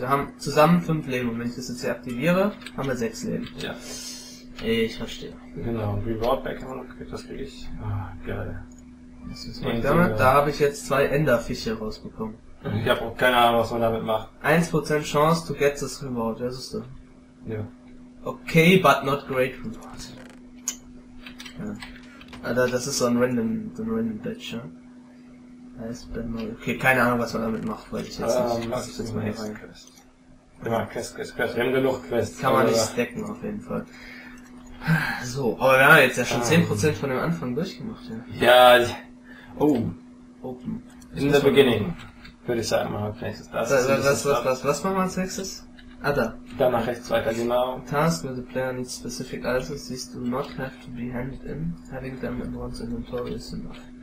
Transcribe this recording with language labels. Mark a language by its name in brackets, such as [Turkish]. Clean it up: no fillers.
[German] Wir haben zusammen 5 Leben und wenn ich das jetzt hier aktiviere, haben wir 6 Leben. Ja. Ich verstehe. Genau, und Reward Back haben wir noch, das kriege ich. Ah, geil. Das ist mein damit, da habe ich jetzt 2 Enderfische rausbekommen. Ich habe auch keine Ahnung, was man damit macht. [English] 1% Chance to get this Reward, [German] das ist so. Ja. [English] Okay, but not great Reward. [German] Ja. Alter, das ist so ein random Batch, ja? Heißt Benmore. Okay, keine Ahnung, was man damit macht, weil ich jetzt nicht. Jetzt mal hier rein. Quest. Immer Quest. Wir haben genug Quests. Kann man nicht stacken, auf jeden Fall. So, aber wir haben jetzt ja schon 10% von dem Anfang durchgemacht, ja? Ja, oh. [English] Open. In the beginning. [German] Würde ich sagen, mal nächstes. Was machen wir als nächstes? Ah, da. Dann nach rechts weiter, genau. [English] Task with the player needs specific items, these do not have to be handed in. Having them in one's inventory is enough.